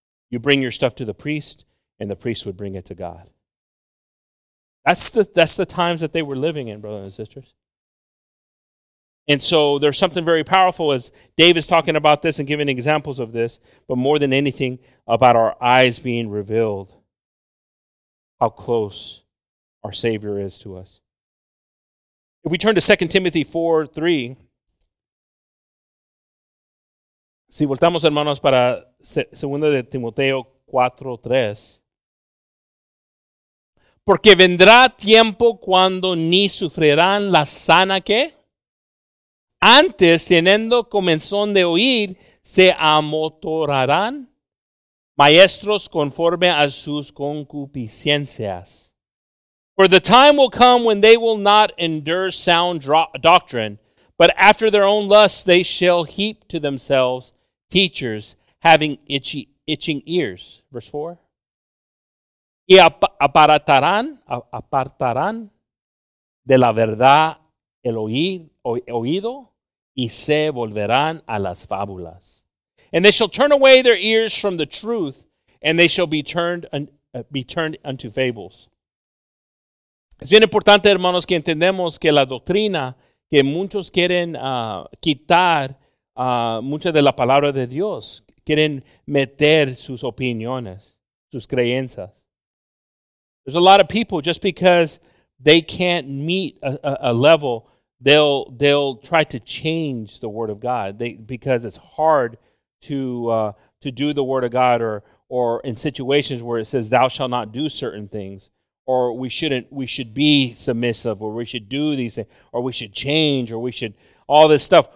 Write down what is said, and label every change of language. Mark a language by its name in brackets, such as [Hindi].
[English] You bring your stuff to the priest, and the priest would bring it to God. That's the times that they were living in, brothers and sisters. And so there's something very powerful as Dave is talking about this and giving examples of this, but more than anything, about our eyes being revealed, how close our Savior is to us. If we turn to 2 Timothy 4:3, [Spanish] si voltamos, hermanos, para 2 de Timoteo 4:3, porque vendrá tiempo cuando ni sufrirán la sana que antes, teniendo comenzón de oír, se amotorarán maestros conforme a sus concupiscencias. [English] For the time will come when they will not endure sound doctrine, but after their own lusts they shall heap to themselves teachers having itching ears. Verse 4. [Spanish] Y apartarán de la verdad el oído y se volverán a las fábulas. [English] And they shall turn away their ears from the truth, and they shall be turned unto fables. [Spanish] Es bien importante, hermanos, que entendemos que la doctrina que muchos quieren quitar mucha de la palabra de Dios, quieren meter sus opiniones, sus creencias. [English] There's a lot of people, just because they can't meet a level, they'll try to change the Word of God because it's hard to do the Word of God or in situations where it says, thou shalt not do certain things, or we should be submissive, or we should do these things, or we should change, or we should, all this stuff.